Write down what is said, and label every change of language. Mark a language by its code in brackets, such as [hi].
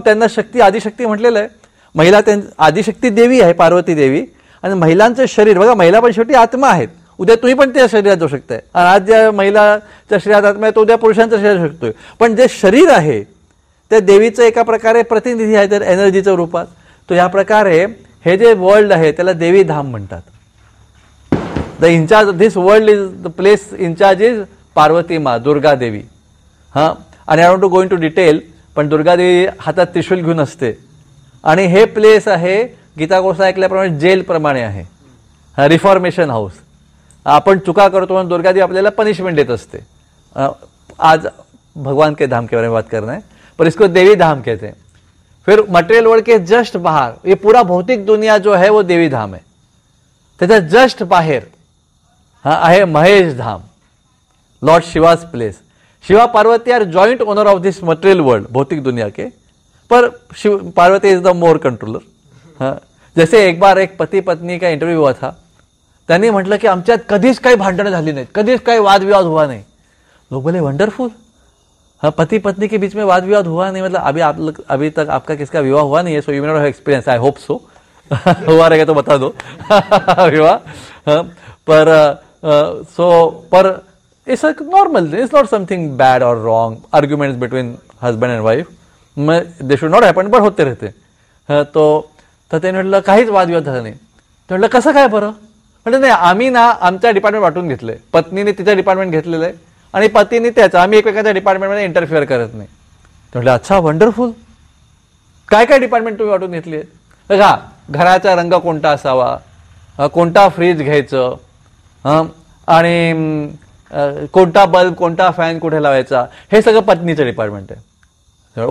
[mr] त्यांना शक्ती, आदिशक्ती म्हटलेलं आहे, महिला आदिशक्ती देवी आहे पार्वती देवी, आणि महिलांचं शरीर, बघा महिला पण शेवटी आत्मा आहेत, उद्या तुम्ही पण त्या शरीरात जाऊ शकताय, आणि आज ज्या महिलाच्या शरीरात आत्मा आहे तो उद्या पुरुषांच्या शरीरात शकतोय, पण जे शरीर आहे त्या देवीचं एका प्रकारे प्रतिनिधी आहे, तर एनर्जीच्या रूपात। तो या प्रकारे हे जे वर्ल्ड आहे त्याला देवी धाम म्हणतात। [en] The incharge this world is the place incharge is Parvati Maa Durga Devi. [mr] हां आणि [en] I don't go into detail, [mr] पण दुर्गा देवी हातात त्रिशूल घेऊन असते, आणि हे प्लेस आहे गीता कोर्स ऐकल्याप्रमाणे जेलप्रमाणे आहे, रिफॉर्मेशन हाऊस, आपण चुका करतो म्हणून दुर्गा देवी आपल्याला पनिशमेंट देत असते। [hi] आज भगवान के धाम के बारे में बात करना है, पर इसको देवी धाम कहते हैं। फिर मटेरियल वर्ल्ड के जस्ट बाहर, ये पूरा भौतिक दुनिया जो है वो देवी धाम है, तथा जस्ट बाहर है महेश धाम, Lord Shivas place. [en] Shiva Parvati are joint owner of this material world, [hi] भौतिक दुनिया के, [en] पर Shiv Parvati is the more controller. [hi] जैसे एक बार एक पति पत्नी का इंटरव्यू हुआ था, [mr] त्यांनी म्हटलं की आमच्यात कधीच काही भांडणं झाली नाहीत, कधीच काही वादविवाद हुआ नाही। [hi] लोक बोले वंडरफुल, हाँ पति पत्नी के बीच में वाद विवाद हुआ नहीं, मतलब अभी आप लोग अभी तक आपका किसका विवाह हुआ नहीं है, [en] so you may not have experience, I hope so, [hi] हुआ रहेगा तो बता दो विवाह। [en] पर सो पर it's a normal, it's not something bad और wrong, arguments between husband and wife they should not happen, [hi] पर होते रहते। [mr] तो त्यांनी म्हटलं काहीच वादविवाद झाला नाही, म्हटलं कसं काय बरं, म्हटलं नाही आम्ही ना आमचा डिपार्टमेंट वाटून घेतले, पत्नीने तिचा डिपार्टमेंट घेतलेलं आहे आणि पतीने त्याचा, आम्ही एकमेकांच्या डिपार्टमेंटमध्ये इंटरफिअर करत नाही। म्हटलं अच्छा वंडरफुल, काय काय डिपार्टमेंट तुम्ही वाटून घेतली आहेत, हा घराचा रंग कोणता असावा, कोणता फ्रीज घ्यायचं, आणि कोणता बल्ब कोणता फॅन कुठे लावायचा, हे सगळं पत्नीचं डिपार्टमेंट आहे।